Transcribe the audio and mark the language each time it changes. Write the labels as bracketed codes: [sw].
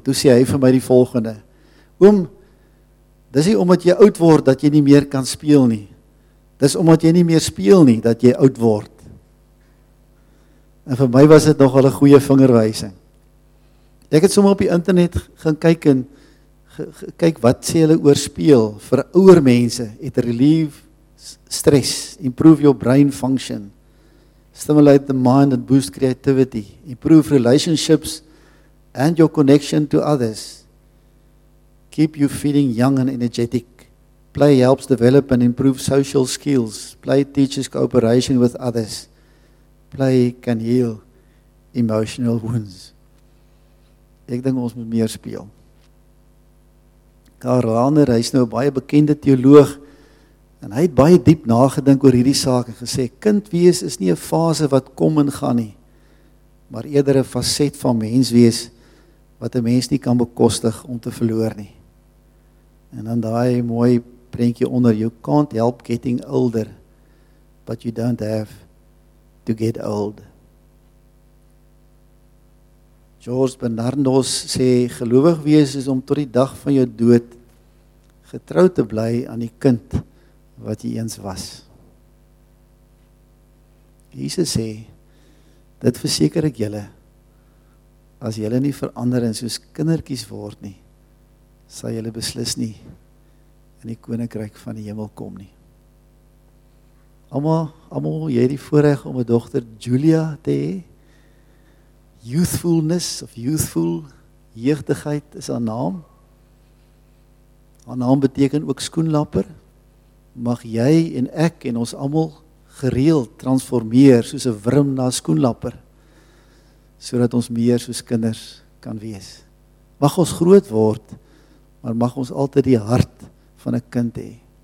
[af] Toe sê hy vir my die volgende, oom, dis nie omdat jy oud word dat jy nie meer kan speel nie. Dis omdat jy nie meer speel nie, dat jy oud word. En vir my was dit nogal 'n goeie vingerwysing. Ek het sommer op die internet gaan kyk en kyk wat sê hulle oor speel. Vir ouer mense, [en] it relieve stress, improve your brain function, stimulate the mind and boost creativity, improve relationships and your connection to others, keep you feeling young and energetic. Play helps develop and improve social skills. Play teaches cooperation with others. Play can heal emotional wounds. [af] Ek dink ons moet meer speel. Karl Rahner, hy is nou 'n baie bekende teoloog, en hy het baie diep nagedink oor hierdie saak en gesê, kind wees is nie 'n fase wat kom en gaan nie, maar eerder 'n facet van mens wees wat 'n mens nie kan bekostig om te verloor nie. En dan daai mooi prentjie onder, [en] you can't help getting older, but you don't have to get old. [af] George Bernardos sê, gelowig wees is om tot die dag van jou dood getrou te bly aan die kind wat jy eens was. Jesus sê, dit verseker ek julle, as julle nie verander en soos kindertjies word nie, sal julle beslis nie in die koninkryk van die hemel kom nie. Almal, jy het die voorreg om 'n dogter Julia te hê. [en] Youthfulness of youthful, [af] jeugdigheid is haar naam. Haar naam beteken ook skoenlapper. Mag jy en ek en ons almal gereeld transformeer soos 'n wurm na skoenlapper, sodat ons meer soos kinders kan wees. Mag ons groot word, maar mag ons altyd die hart van 'n kind hê.